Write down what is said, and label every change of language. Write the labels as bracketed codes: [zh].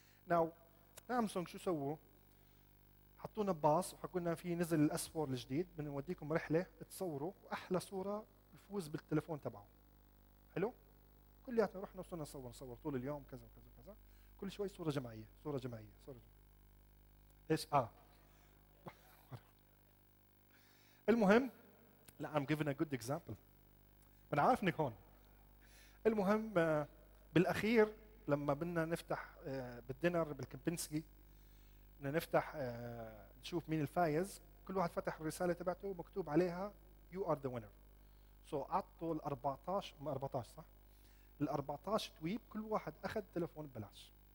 [ar] now سامسونج شو سووا؟ حطونا باص وحكونا في نزل الأسفور الجديد بنوديكم رحلة تصوروا وأحلى صورة يفوز بالتليفون تبعه. حلو كلياتنا رحنا وصلنا نصور نصور طول اليوم كذا وكذا وكذا كل شوي صورة جماعية صورة جماعية صورة جماعية. إيش المهم لا [en] I'm giving a good example. [ar] أنا عارف إنك هون. المهم بالأخير لما بدنا نفتح بالدينر بالكمبينسكي بدنا نفتح نشوف مين الفائز كل واحد فتح الرسالة تبعته مكتوب عليها [en] you are the winner. [ar] so عطوا ال 14 صح؟ ال 14 تويب كل واحد أخذ تلفون ببلاش.